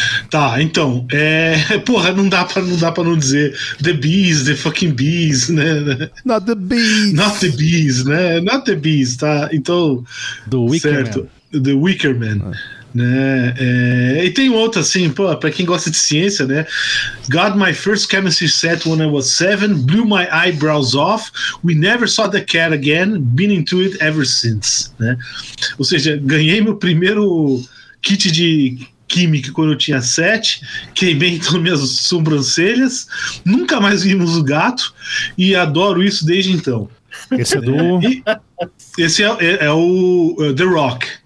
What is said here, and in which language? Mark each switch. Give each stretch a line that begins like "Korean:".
Portuguese: Tá, então, porra, não dá pra não dizer
English: The Bees, The Fucking Bees,
Portuguese: né?
English: Not the Bees. Not the Bees,
Portuguese: né?
English: Not the Bees,
Portuguese: tá? Então, do Wicker, certo. Man.
English: The Wicker Man. Né?
Portuguese: E tem outra, assim, pô, pra quem gosta de ciência, né?
English: Got my first chemistry set when I was 7, blew my eyebrows off, we never saw the cat again, been into it ever since.
Portuguese: Né? Ou seja, ganhei meu primeiro kit de química quando eu tinha 7, queimei então minhas sobrancelhas, nunca mais vimos o gato e adoro isso desde então. Esse é do... Esse é o The Rock.